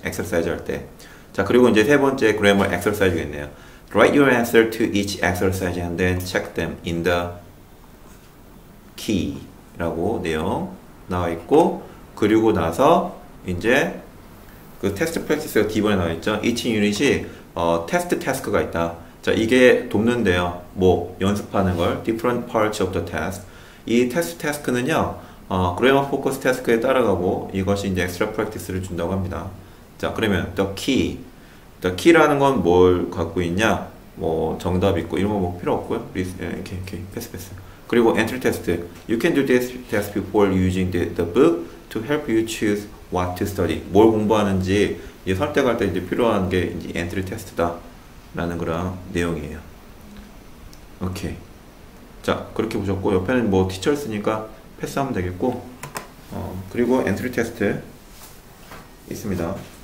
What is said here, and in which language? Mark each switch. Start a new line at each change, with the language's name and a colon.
Korean: Exercise 할 때. 자, 그리고 이제 세 번째 grammar exercise가 있네요.
English: Write your answer to each exercise and then check them in the key
Korean: 라고 내용 나와 있고, 그리고 나서 이제 그 테스트 프랙티스가 D번에 나와 있죠. Each unit이 테스트 태스크가 있다. 자, 이게 돕는데요. 뭐 연습하는 걸
English: different parts of the task.
Korean: 이 테스트 태스크는요, grammar focus 태스크에 따라가고 이것이 이제 extra practice를 준다고 합니다. 자, 그러면 the key. The key라는 건 뭘 갖고 있냐? 뭐 정답 있고 이런 거 뭐 필요 없고요. 이렇게 패스.
English: 그리고 entry test. You can do this test before using the book to help you choose what to study.
Korean: 뭘 공부하는지 이제 선택할 때 이제 필요한 게 이제 entry test다. 라는 그런 내용이에요. 오케이. 자, 그렇게 보셨고, 옆에는 뭐 teachers니까 패스하면 되겠고, 그리고 entry test 있습니다.